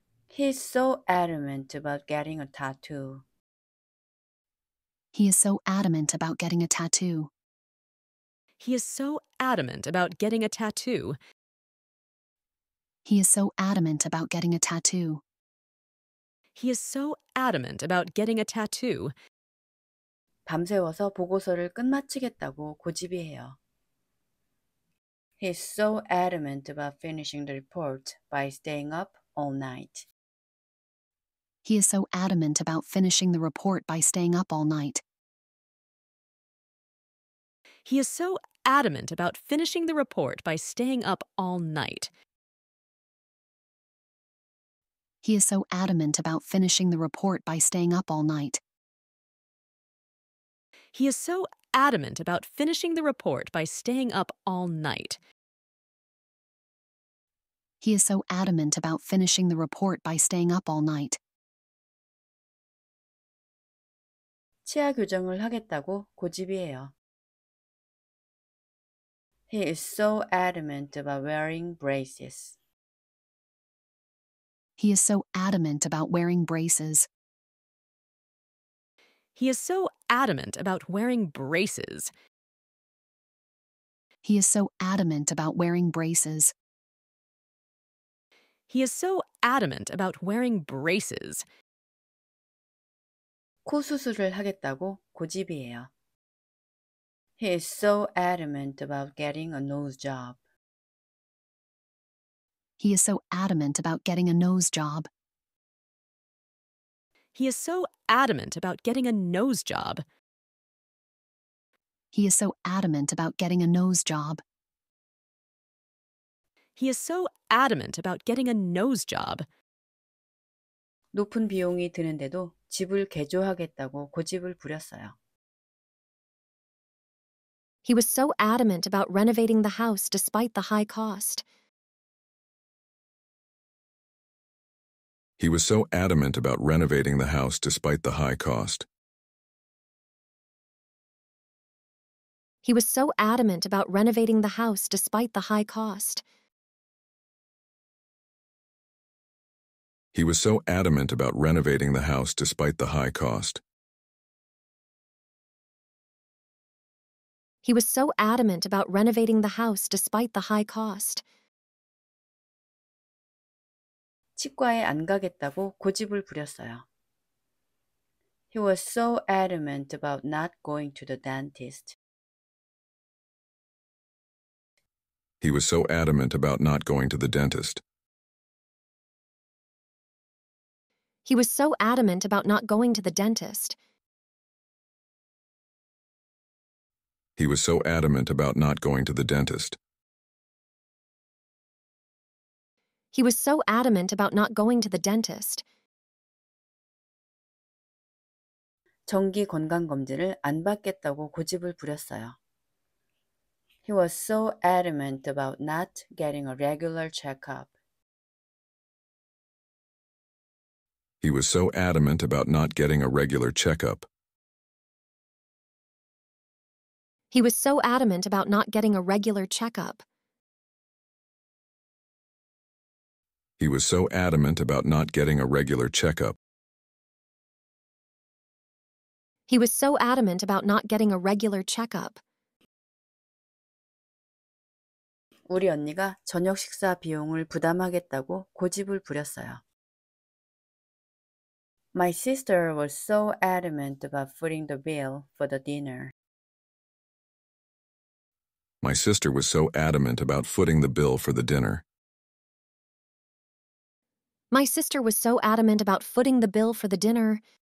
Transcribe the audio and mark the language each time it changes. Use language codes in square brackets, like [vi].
[en] He is so adamant about getting a tattoo. He is so adamant about getting a tattoo. He is so adamant about getting a tattoo. He is so adamant about getting a tattoo. He is so adamant about getting a tattoo. [ko] 밤새워서 보고서를 끝마치겠다고 고집이에요. [en] He is so adamant about finishing the report by staying up all night. He is so adamant about finishing the report by staying up all night. He is so adamant about finishing the report by staying up all night. He is so adamant about finishing the report by staying up all night. He is so adamant about finishing the report by staying up all night. He is so adamant about finishing the report by staying up all night. [ko] 치아 교정을 하겠다고 고집이에요. [en] He is so adamant about wearing braces. He is so adamant about wearing braces. He is so adamant about wearing braces. He is so adamant about wearing braces. He is so adamant about wearing braces. [ko] 코 수술을 하겠다고 고집이에요. [en] He is so adamant about getting a nose job. He is so adamant about getting a nose job. He is so adamant about getting a nose job. He is so adamant about getting a nose job. He is so adamant about getting a nose job. [ko] 높은 비용이 드는데도 집을 개조하겠다고 고집을 부렸어요. [en] He was so adamant about renovating the house despite the high cost. He was so adamant about renovating the house despite the high cost. He was so adamant about renovating the house despite the high cost. He was so adamant about renovating the house despite the high cost. He was so adamant about renovating the house despite the high cost. [ko] 치과에 안 가겠다고 고집을 부렸어요. [en] He was so adamant about not going to the dentist. He was so adamant about not going to the dentist. He was so adamant about not going to the dentist. He was so adamant about not going to the dentist. He was so adamant about not going to the dentist. [ko] 정기 건강검진을 안 받겠다고 고집을 부렸어요. [en] He was so adamant about not getting a regular checkup. He was so adamant about not getting a regular checkup. He was so adamant about not getting a regular checkup. He was so adamant about not getting a regular checkup. He was so adamant about not getting a regular checkup. [ko] 우리 언니가 저녁 식사 비용을 부담하겠다고 고집을 부렸어요. [en] My sister was so adamant about footing the bill for the dinner. My sister was so adamant about footing the bill for the dinner. My sister was so adamant about footing the bill for the dinner.